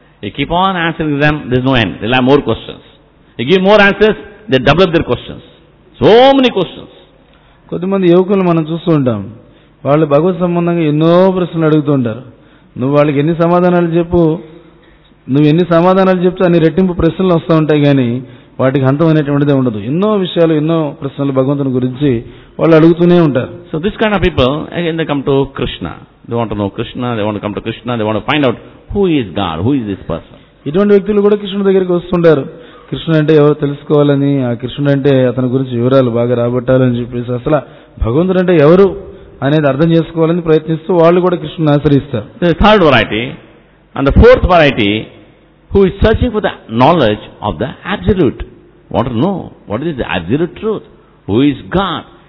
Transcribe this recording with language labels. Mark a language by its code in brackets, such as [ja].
[en] You keep on answering them, there's no end. There are more questions. You give more answers, they double up their questions. So many questions. [te] కొద్దిమంది యువకులు మనం చూస్తూ ఉంటాం, వాళ్ళు భగవత్ సంబంధంగా ఎన్నో ప్రశ్నలు అడుగుతూ ఉంటారు. నువ్వు వాళ్ళకి ఎన్ని సమాధానాలు చెప్పు, నువ్వు ఎన్ని సమాధానాలు చెప్తా అని రెట్టింపు ప్రశ్నలు వస్తూ ఉంటాయి, కానీ వాటికి అంతం అనేటువంటిదే ఉండదు. ఎన్నో విషయాలు, ఎన్నో ప్రశ్నలు భగవంతుని గురించి వాళ్ళు అడుగుతూనే ఉంటారు. [en] So this kind of people again they come to Krishna. They want to know Krishna, they want to come to Krishna, they want to find out who is God, who is this person. [te] ఇటువంటి వ్యక్తులు కూడా కృష్ణుని దగ్గరికి వస్తుంటారు. కృష్ణుడు అంటే ఎవరు తెలుసుకోవాలని, ఆ కృష్ణుడు అంటే అతని గురించి వివరాలు బాగా రాబట్టాలని చెప్పేసి, అసలు భగవంతుడు అంటే ఎవరు అనేది అర్థం చేసుకోవాలని ప్రయత్నిస్తూ వాళ్ళు కూడా కృష్ణుని ఆశ్రయిస్తారు. [en] Third variety and the fourth variety, who is searching for the knowledge of the absolute, want to know what is the absolute truth, who is God.